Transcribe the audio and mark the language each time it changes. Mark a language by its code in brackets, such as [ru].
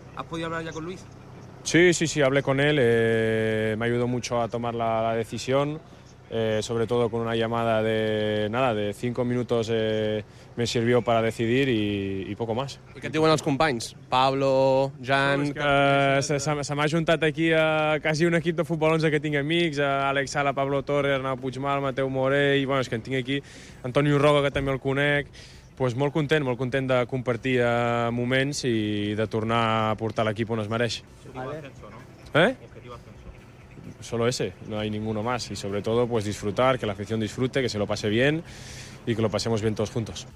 [es] ¿Has podido hablar ya con Luis? Sí, hablé con él. Me ayudó mucho a tomar la decisión, sobre todo con una llamada de 5 minutos me sirvió para decidir y poco más. ¿Qué te dicen los compañeros? Pablo, Jan... [ca] Se m'ha juntat aquí a quasi un equip de futbol 11 que tinc amics, Àlex Sala, Pablo Torre, Arnau Puigmal, Mateu Morell, bueno, és que en tinc aquí Antonio Roca, que també el conec. Pues molt content de compartir moments i de tornar a portar l'equip on es mereix. [es] Solo ese, no hay ninguno más. Y sobre todo, pues disfrutar, que la afición disfrute, que se lo pase bien y que lo pasemos bien todos juntos.